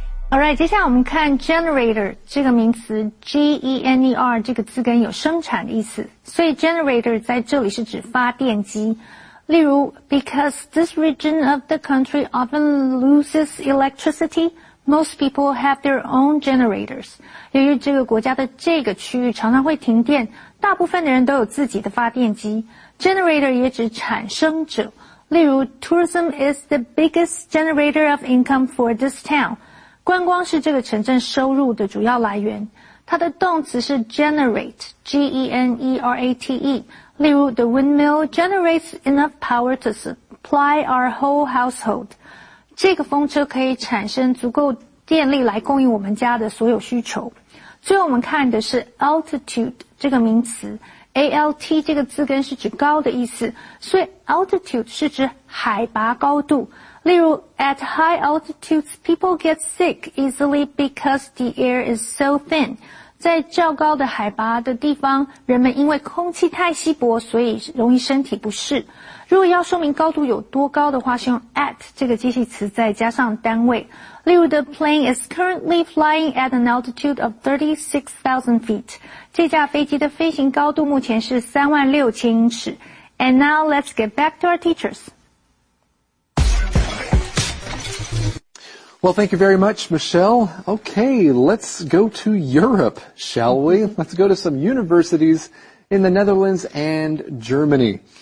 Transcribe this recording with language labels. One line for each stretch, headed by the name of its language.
English: All right,
Chinese: 接下来我们看 generator 这个名词 G-E-N-E-R 这个字根有生产的意思，所以 generator 在这里是指发电机。例如
English: ,because this region of the country often loses electricity, most people have their own generators.
Chinese: 由于这个国家的这个区域常常会停电，大部分的人都有自己的发电机。 Generator 也指产生者。例如
English: ,tourism is the biggest generator of income for this town.
Chinese: 观光是这个城镇收入的主要来源。它的动词是 generate, G-E-N-E-R-A-T-E。例如
English: ,the windmill generates enough power to supply our whole household.
Chinese: 这个风车可以产生足够电力来供应我们家的所有需求。最后我们看的是 altitude 这个名词。alt 这个字根是指高的意思。所以 altitude 是指海拔高度。例如
English: at high altitudes, people get sick easily because the air is so thin.
Chinese: 在较高的海拔的地方，人们因为空气太稀薄，所以容易身体不适。如果要说明高度有多高的话，是用 at 这个介系词再加上单位。例如
English: the plane is currently flying at an altitude of 36,000 feet.
Chinese: 这架飞机的飞行高度目前是36,000英尺。
English: And now let's get back to our teachers. Well, thank you very much, Michelle. Okay, let's go to Europe, shall we? Let's go to some universities in the Netherlands and Germany.